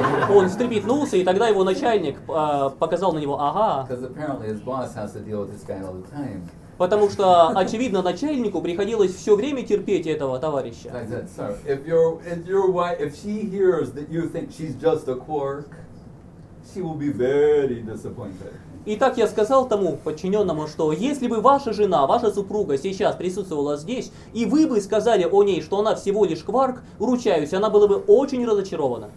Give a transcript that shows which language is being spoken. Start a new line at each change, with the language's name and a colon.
Russian: Он встрепетнулся, и тогда его начальник показал на него, "Aha!"
English: Because apparently his boss has to deal with this guy all the time.
Russian: Потому что очевидно начальнику приходилось все время терпеть этого товарища.
English: I said, "Sir, if your wife, if she hears that you think she's just a quark, she will be very disappointed."
Russian: И так я сказал тому подчиненному, что если бы ваша жена, ваша супруга сейчас присутствовала здесь, и вы бы сказали о ней, что она всего лишь кварк, ручаюсь, она была бы очень разочарована.